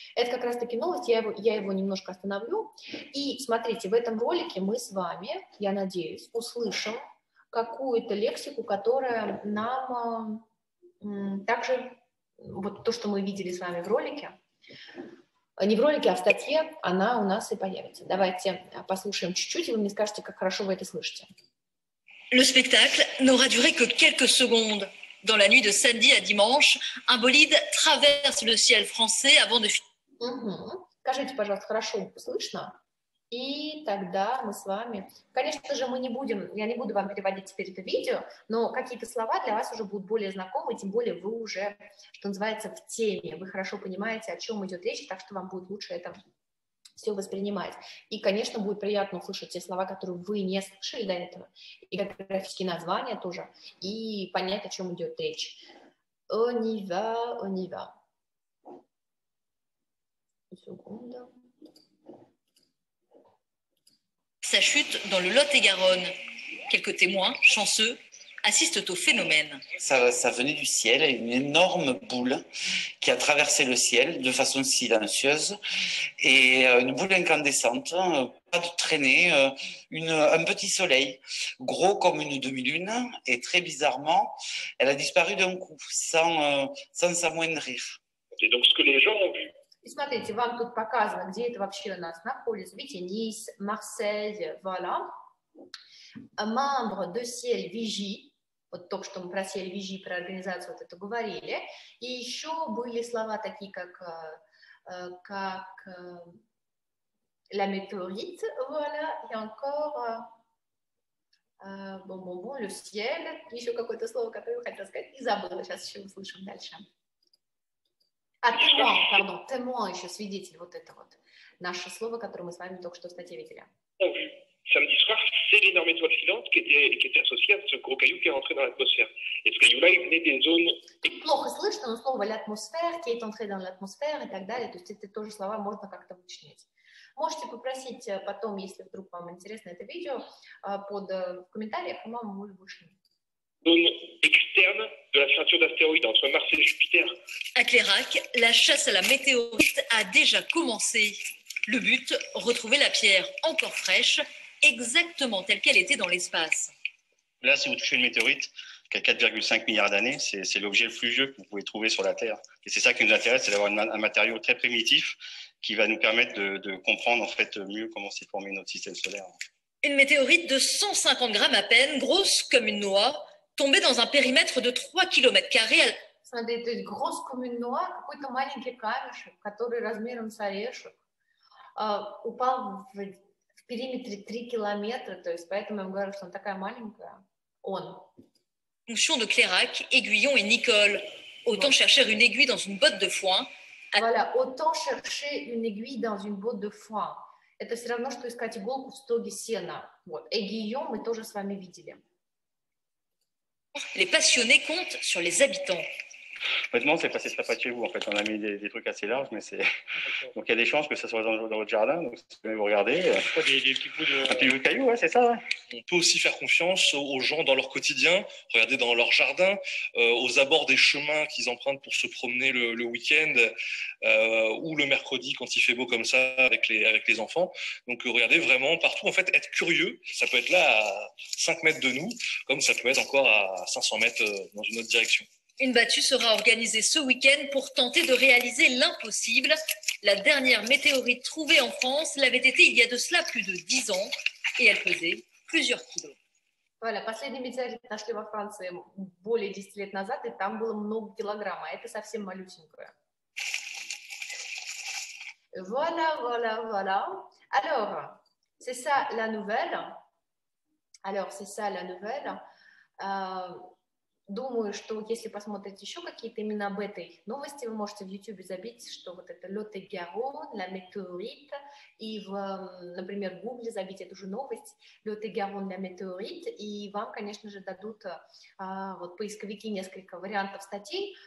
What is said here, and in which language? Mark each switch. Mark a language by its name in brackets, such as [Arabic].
[Russian] Это как раз-таки новость, я его немножко остановлю. И смотрите, в этом ролике мы с вами, я надеюсь, услышим какую-то лексику, которая нам также, вот то, что мы видели с вами в ролике, не в ролике, а в статье, она у нас и появится. Давайте послушаем чуть-чуть, и вы мне скажете, как хорошо вы это слышите. [French] Le spectacle n'aura duré que quelques secondes. Dans la nuit de samedi à dimanche, un bolide traverse le ciel français avant de... [Russian] Скажите, пожалуйста, хорошо слышно? И тогда мы с вами... Конечно же, мы не будем... Я не буду вам переводить теперь это видео, но какие-то слова для вас уже будут более знакомы, тем более вы уже, что называется, в теме. Вы хорошо понимаете, о чем идет речь, так что вам будет лучше это... все воспринимать. И, конечно, будет приятно услышать те слова, которые вы не слышали до этого, и географические названия тоже, и понять, о чем идет речь. [French] On y va, on y va. Sa chute dans le Lot-et-Garonne. Quelques témoins, chanceux, assistent au phénomène. Ça venait du ciel, une énorme boule qui a traversé le ciel de façon silencieuse et une boule incandescente, pas de traînée, un petit soleil gros comme une demi-lune et très bizarrement, elle a disparu d'un coup sans s'amoindrir. C'est donc ce que les gens ont vu. [Russian] Et смотрите, вам тут показано, где это вообще у нас находится. Видите, Nice, Marseille, voilà. [French] Membre de ciel vigie. [Russian] Вот то, что мы про CLVG, про организацию вот это говорили. И еще были слова такие, как la météorite, voilà, и [French] encore bon, le ciel, [Russian] еще какое-то слово, которое я хотела сказать, и забыла, сейчас еще услышим дальше. А témoin, pardon, témoin, еще свидетель, вот это вот. Наше слово, которое мы с вами только что в статье видели. [French] Ont vu. Samedi soir, c'est l'énorme étoile filante qui était associée à ce gros caillou qui est rentré dans l'atmosphère. Et ce caillou-là, il venait des zones... [Russian] Тут плохо слышно, но слово «l'atmosphère», [French] «qui est entré dans l'atmosphère» [Russian] и так далее, то есть это тоже слова можно как-то вычленить. Можете попросить потом, если вдруг вам интересно это видео, под в комментариях, по-моему, мы вышли. [French] Zone externe de la ceinture d'astéroïdes entre Mars et Jupiter. À Clairac, la chasse à la météorite a déjà commencé. Le but, retrouver la pierre encore fraîche, exactement telle qu'elle était dans l'espace. Là, si vous touchez une météorite qui a 4,5 milliards d'années, c'est l'objet le plus vieux que vous pouvez trouver sur la Terre. Et c'est ça qui nous intéresse, c'est d'avoir un matériau très primitif qui va nous permettre de comprendre en fait mieux comment s'est formé notre système solaire. Une météorite de 150 grammes à peine, grosse comme une noix, tombée dans un périmètre de 3 km². Elle... [Russian] Смотрите, [French] grosse comme une noix, [Russian] какой-то маленький камешек, который размером с орешек, упал в периметре 3 километра, то есть поэтому я вам говорю, что она такая маленькая. Он. [French] Fonction de Clairac, aiguillon et Nicole. Autant chercher une aiguille dans une botte de foin. Voilà, autant chercher une aiguille dans une botte de foin. [Russian] Это все равно, что искать иголку в стоге сена. Вот. Aiguillon, мы тоже с вами видели. [French] Les passionnés comptent sur les habitants. Honnêtement, c'est passé ça pas chez vous. En fait, on a mis des trucs assez larges, mais c'est donc il y a des chances que ça soit dans votre jardin. Donc, si vous regardez, des petits bouts de cailloux, ouais, c'est ça. Ouais. On peut aussi faire confiance aux gens dans leur quotidien. Regardez dans leur jardin, aux abords des chemins qu'ils empruntent pour se promener le week-end ou le mercredi quand il fait beau comme ça avec les enfants. Donc, regardez vraiment partout. En fait, être curieux, ça peut être là à 5 mètres de nous, comme ça peut être encore à 500 mètres dans une autre direction. Une battue sera organisée ce week-end pour tenter de réaliser l'impossible. La dernière météorite trouvée en France l'avait été il y a de cela plus de 10 ans et elle pesait plusieurs kilos. Voilà, la dernière météorite [Russian] нашли во Франции более 10 лет назад et там было много килограмм, а это совсем малюсенькое. [French] Voilà, voilà, voilà. Alors, c'est ça la nouvelle. Alors, c'est ça la nouvelle. [Russian] Думаю, что если посмотреть еще какие-то именно об этой новости, вы можете в YouTube забить, что вот это Lot-et-Garonne, la météorite, и, в, например, в Google забить эту же новость, Lot-et-Garonne, la météорite, и вам, конечно же, дадут вот поисковики несколько вариантов статей.